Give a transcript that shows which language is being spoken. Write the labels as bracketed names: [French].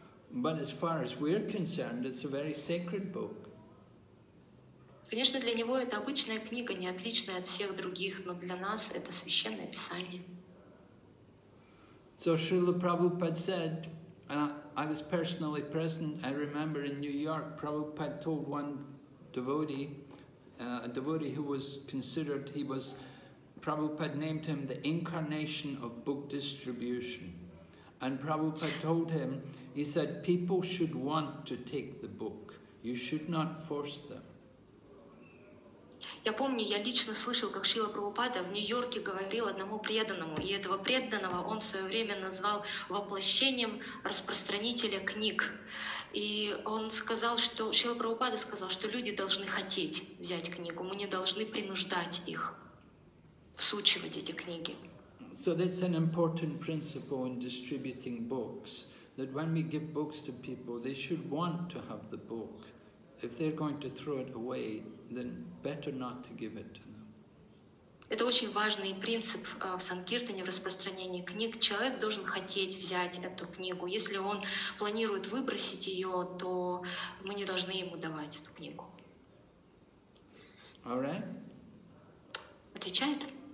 [English] But as far as we're concerned, it's a very sacred book. [Russian] Конечно, для него это обычная книга, не отличная от всех других, но для нас это священное писание. [English] So Srila Prabhupada said, I was personally present, I remember in New York, Prabhupada told one devotee, a devotee who was considered, Prabhupada named him the incarnation of book distribution. And Prabhupada told him, he said, people should want to take the book, you should not force them. [Russian] Я помню, я лично слышал, как Шрила Прабхупада в Нью-Йорке говорил одному преданному, и этого преданного он в свое время назвал воплощением распространителя книг. И он сказал, что Шрила Прабхупада сказал, что люди должны хотеть взять книгу, мы не должны принуждать их всучивать эти книги. [English] So that's an important principle in distributing books, that when we give books to people, they should want to have the book. If they're going to throw it away, then better not to give it to them. [Russian] Это очень важный принцип в санкиртане, в распространении книг. Человек должен хотеть взять эту книгу. Если он планирует выбросить ее, то мы не должны ему давать эту книгу. [English] All right. [Russian] Отвечает?